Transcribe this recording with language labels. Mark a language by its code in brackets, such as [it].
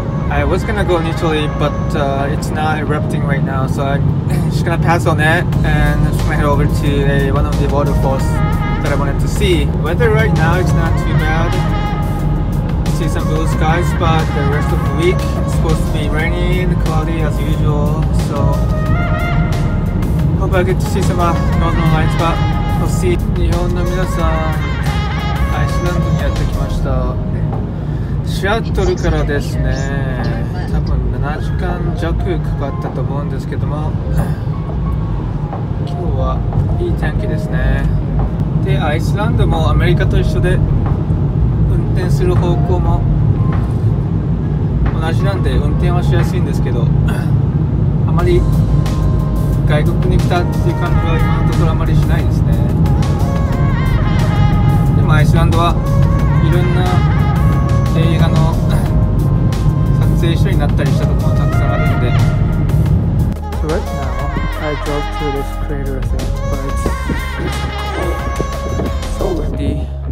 [en] I was gonna go initially, but it's not erupting right now, so I'm just gonna pass on it and just gonna head over to one of the waterfalls that I wanted to see. Weather right now, it's not too bad. See some blue skies, but the rest of the week it's supposed to be rainy and cloudy as usual, so hope I get to see some northern lights, but we'll see. [ja] 日本の皆さん、アイスランドにやってきました。シアトルからですね、多分7時間弱かかったと思うんですけども、今日はいい天気ですね。で、アイスランドもアメリカと一緒で、運転する方向も同じなんで、運転はしやすいんですけど、あまり外国に来たっていう感じは今のところあまりしないですね。でもアイスランドはいろんな映画の撮影所になったりしたところもたくさんあるんで。 [en] So right now, I drove to this crater thing, but it's so windy